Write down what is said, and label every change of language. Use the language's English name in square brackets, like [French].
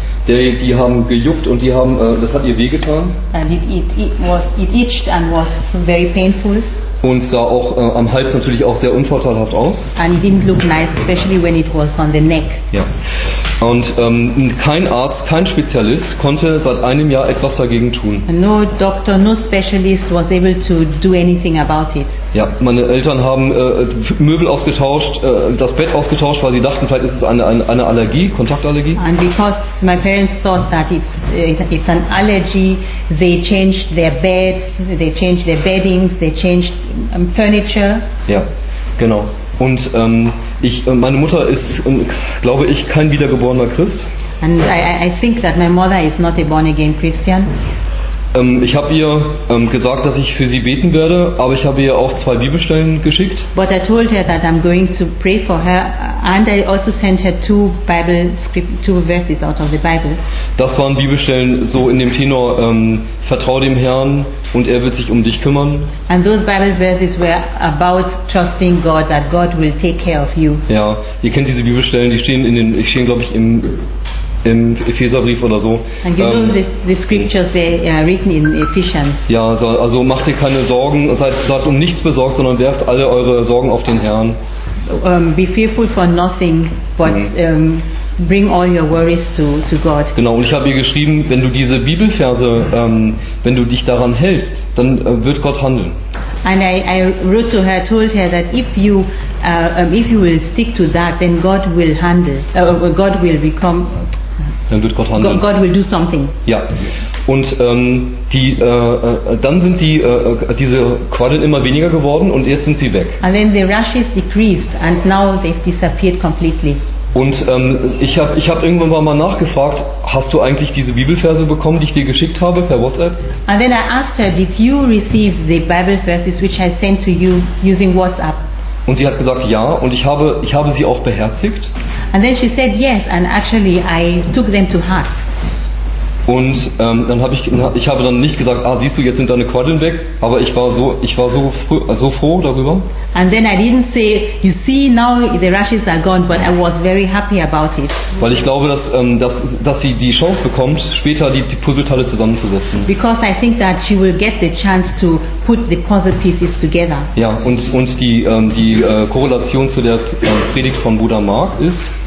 [German] Die haben gejuckt und die haben das hat ihr weh getan. [English] And it itched and was very painful. [German] Und sah auch am Hals natürlich auch sehr unvorteilhaft aus. [English] And it didn't look nice, especially when it was on the neck. [German] Ja. Und kein Arzt, kein Spezialist konnte seit einem Jahr etwas dagegen tun. [English] No doctor, no specialist was able to do anything about it. [German] Ja, meine Eltern haben Möbel ausgetauscht, das Bett ausgetauscht, weil sie dachten, vielleicht ist es eine Allergie, Kontaktallergie. [English] And because my parents thought that it's an allergy, they changed their beds, they changed their beddings, they changed furniture. [German] Ja, genau. Und meine Mutter ist, glaube ich, kein wiedergeborener Christ. [English] And I think that my mother is not a born again Christian. [German] Ich habe ihr gesagt, dass ich für sie beten werde, aber ich habe ihr auch zwei Bibelstellen geschickt. [English] But I told her that I'm going to pray for her, and I also sent her two verses out of the Bible. [German] Das waren Bibelstellen so in dem Tenor: Vertrau dem Herrn und er wird sich um dich kümmern. [English] And those Bible verses were about trusting God, that God will take care of you. [German] Ja, ihr kennt diese Bibelstellen, die stehen glaube ich, im Epheserbrief oder so. [English] And you know the scriptures they are written in Ephesians. [German] Ja, also macht ihr keine Sorgen, seid um nichts besorgt, sondern werft alle eure Sorgen auf den Herrn. [English] Be fearful for nothing, but bring all your worries to God. [German] Genau, und ich habe ihr geschrieben, wenn du diese Bibelverse, wenn du dich daran hältst, dann wird Gott handeln. [English] And I wrote to her, told her that if you will stick to that, then God will handle. God will become. [German] Dann wird Gott handeln. [English] God will do something. [German] Ja, und dann sind diese Quaddeln immer weniger geworden und jetzt sind sie weg. [English] And then the rashes decreased and now they've disappeared completely. [German] Und ich hab irgendwann mal nachgefragt, hast du eigentlich diese Bibelverse bekommen, die ich dir geschickt habe per WhatsApp? [English] And then I asked her, did you receive the Bible verses which I sent to you using WhatsApp? [German] Und sie hat gesagt, ja, und ich habe sie auch beherzigt. [English] And then she said yes, and actually I took them to heart. [German] Und ich habe dann nicht gesagt, siehst du, jetzt sind deine Quaddeln weg, aber ich war so froh darüber. [English] And then I didn't say, you see, now the rashes are gone, but I was very happy about it. [German] Weil ich glaube, dass sie die Chance bekommt, später die Puzzleteile zusammenzusetzen. [English] Because I think that she will get the chance to put the puzzle pieces together. [German] Ja, und die Korrelation zu der Predigt von Bruder Mark ist.